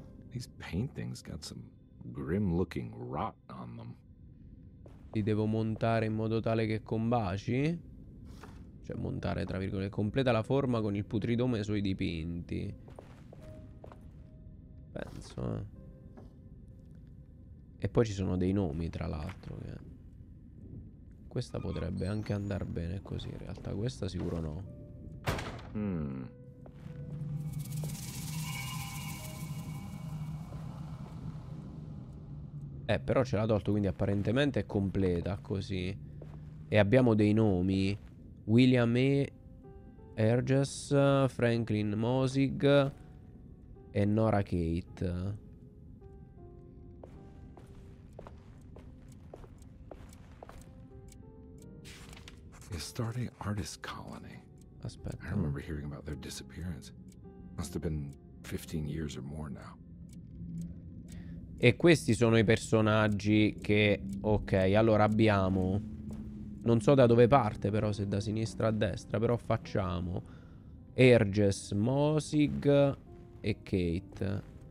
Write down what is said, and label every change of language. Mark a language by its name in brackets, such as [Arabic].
[English] These paintings got some grim-looking rot on them. [Italian] Li devo montare in modo tale che combaci? Cioè montare, tra virgolette, completa la forma con il putridome sui dipinti. Penso, eh. E poi ci sono dei nomi, tra l'altro, che... Questa potrebbe anche andar bene così, in realtà. Questa sicuro no. Hmm. Però ce l'ha tolto, quindi apparentemente è completa così. E abbiamo dei nomi: William E. Erges, Franklin Mosig e Nora Kate. [English] The Astarte Artist Colony. [Italian] Aspetta. [English] I remember hearing about their disappearance. Must have been 15 years or more now. [Italian] E questi sono i personaggi che... Ok, allora abbiamo... Non so da dove parte però, se da sinistra a destra, però facciamo... Erges, Mosig e Kate.